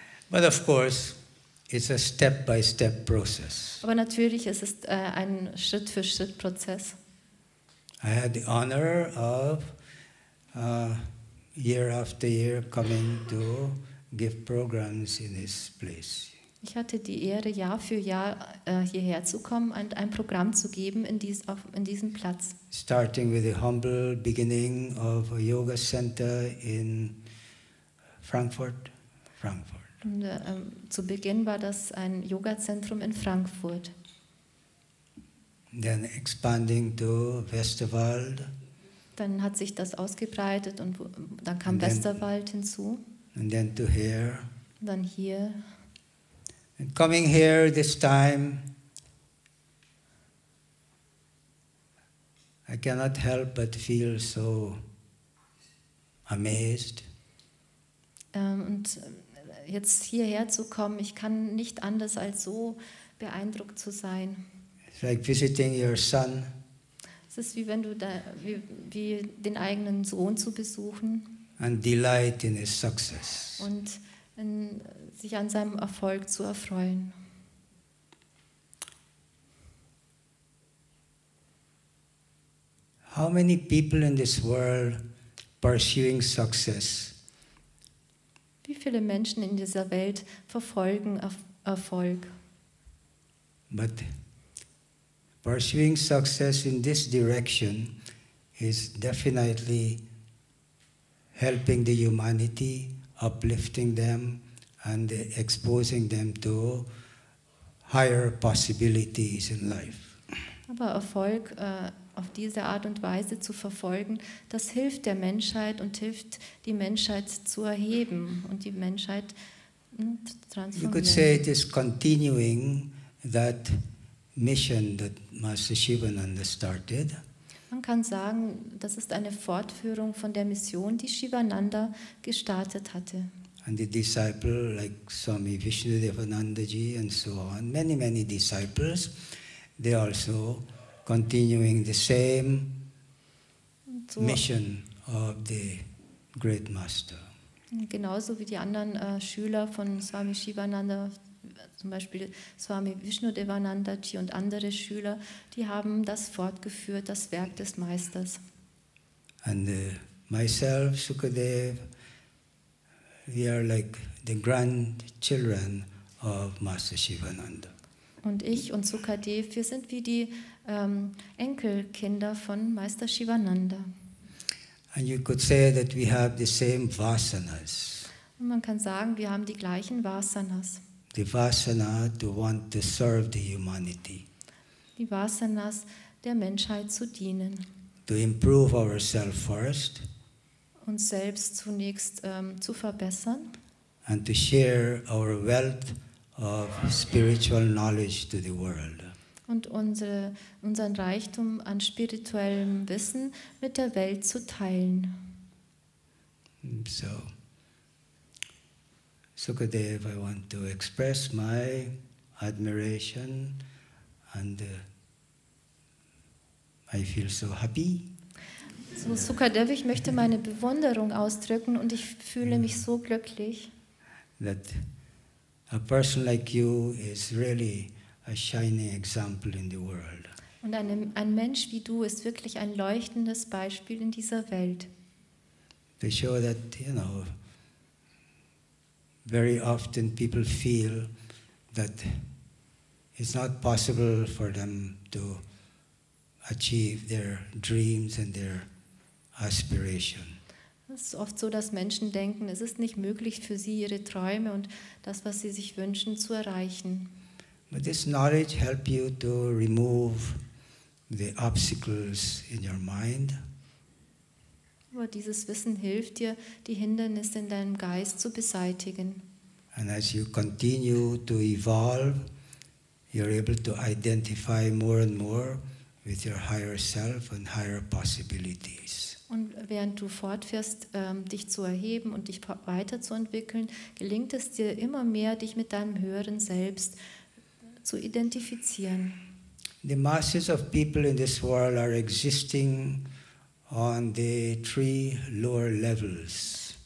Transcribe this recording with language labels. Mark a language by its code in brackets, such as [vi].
[en] But of course, it's a step-by-step process. [de] Aber natürlich ist es ein Schritt-für-Schritt-Prozess. [en] I had the honor of year after year coming to give programs in this place. [de] Ich hatte die Ehre, Jahr für Jahr hierher zu kommen und ein Programm zu geben in diesem Platz. [en] Starting with the humble beginning of a yoga center in Frankfurt. [de] Und, zu Beginn war das ein Yoga-Zentrum in Frankfurt. [en] Then expanding to Westerwald. [de] Dann hat sich das ausgebreitet und dann kam Westerwald hinzu. [en] And then to here. [de] Dann hier. [en] And coming here this time, I cannot help but feel so amazed. [de] Und jetzt hierher zu kommen, ich kann nicht anders als so beeindruckt zu sein. [en] It's like visiting your son. [de] Es ist wie wenn du da, wie den eigenen Sohn zu besuchen. [en] And delight in his success. [de] Und sich an seinem Erfolg zu erfreuen. [en] How many people in this world pursuing success? [de] Wie viele Menschen in dieser Welt verfolgen Erfolg? [en] But pursuing success in this direction is definitely helping the humanity, uplifting them and exposing them to higher possibilities in life. [de] Aber Erfolg auf diese Art und Weise zu verfolgen, das hilft der Menschheit und hilft die Menschheit zu erheben und die Menschheit zu transformieren. [en] You could say it is continuing that mission that Master Shivananda started. [de] Man kann sagen, das ist eine Fortführung von der Mission, die Shivananda gestartet hatte. [en] And the disciple like Swami Vishnudevanandaji and so on, many, many disciples, they also continuing the same so, mission of the great master. [de] Genauso wie die anderen Schüler von Swami Shivananda, zum Beispiel Swami Vishnudevanandaji und andere Schüler, die haben das fortgeführt, das Werk des Meisters. [en] And myself, Sukadev, we are like the grandchildren of Master Shivananda. [de] Und ich und Sukadev, wir sind wie die Enkelkinder von Meister Shivananda. [en] And you could say that we have the same vasanas. [de] Und man kann sagen, wir haben die gleichen Vasanas. [en] The vasana to want to serve the humanity. [de] Die Vasanas, der Menschheit zu dienen. [en] To improve ourselves first. [de] Uns selbst zunächst zu verbessern. [en] And to share our wealth of spiritual knowledge to the world. [de] Und unseren Reichtum an spirituellem Wissen mit der Welt zu teilen. [en] So, Sukadev, I want to express my admiration and I feel so happy. [de] So, Sukadev, ich möchte meine Bewunderung ausdrücken und ich fühle mich so glücklich. [en] That a person like you is really a shining example in the world. [de] Und ein Mensch wie du ist wirklich ein leuchtendes Beispiel in dieser Welt. [en] They show that, you know, very often people feel that it's not possible for them to achieve their dreams and their aspiration. [de] Es ist oft so, dass Menschen denken, es ist nicht möglich für sie, ihre Träume und das, was sie sich wünschen, zu erreichen. [en] But this knowledge helps you to remove the obstacles in your mind. [de] Aber dieses Wissen hilft dir, die Hindernisse in deinem Geist zu beseitigen. [en] And as you continue to evolve, you're able to identify more and more with your higher self and higher possibilities. [de] Und während du fortfährst, dich zu erheben und dich weiterzuentwickeln, gelingt es dir immer mehr, dich mit deinem höheren Selbst zu identifizieren. [en] The masses of people in this world are existing on the three lower levels.